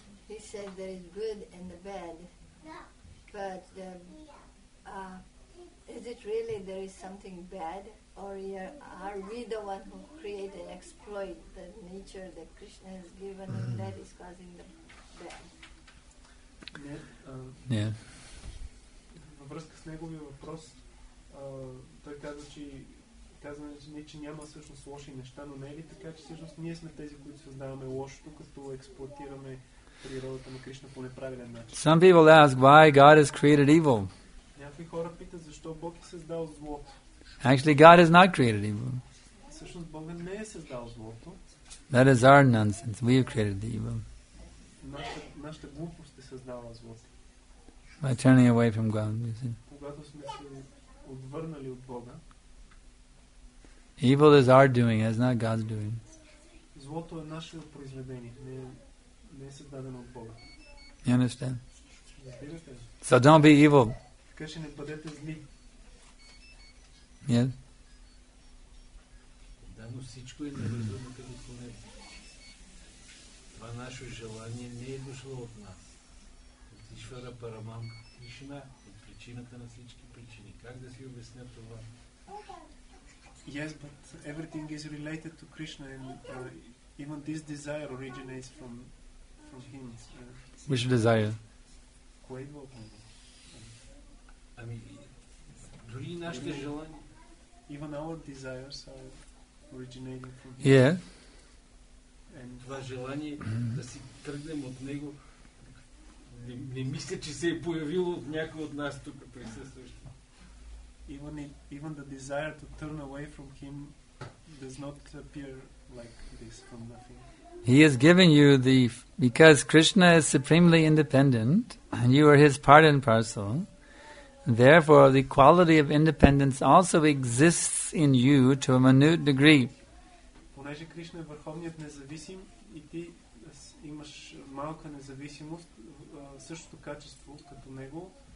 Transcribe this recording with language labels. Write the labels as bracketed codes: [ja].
[en] He said there is good and the bad, but is it really there is something bad, or are we the one who create and exploit the nature that Krishna has given and that is causing the bad? Yeah. [bg] Във връзка с неговия въпрос, той каза, че че няма всъщност лоши неща, но не е ли така, че всъщност ние сме тези, които създаваме лошото, като експлоатираме природата на Кришна по неправилен начин. [en] Some people ask why God has created evil. [bg] Някои хора питат защо Бог е създал злото. [en] Actually, God has not created evil. [bg] Всъщност Бог не е създал злото. [en] That is our nonsense. We have created evil. [bg] Нашата глупост е създала злото. [en] By turning away from God, you see. [bg] Когато сме се отвърнали от Бога. [en] Evil is our doing, it's not God's doing. [bg] Злото е наше произведение, не е създадено от Бога. [en] You understand? So don't be evil. [bg] Така че не бъдете зли. [en] Yes? [bg] Да, но всичко е невъзможно като поне. Това наше желание не е дошло от нас. От Ишвара Параман Кришна, от причината на всички причини. Как да си обясня това? [en] Yes, but everything is related to Krishna, and even this desire originates from him. Which desire? Quaidva. I mean, [bg] дори нашите желания, [en] even our desires are originating from him. Yeah. [bg] And това желание да си тръгнем от него, не мисля, че се е появило от някой от нас тук присъстващи. [en] Even the desire to turn away from him does not appear like this from nothing. He has given you the... Because Krishna is supremely independent and you are his part and parcel, therefore the quality of independence also exists in you to a minute degree. [bg] Понеже Кришна е върховният независим и ти имаш малка независимост, същото качество като него,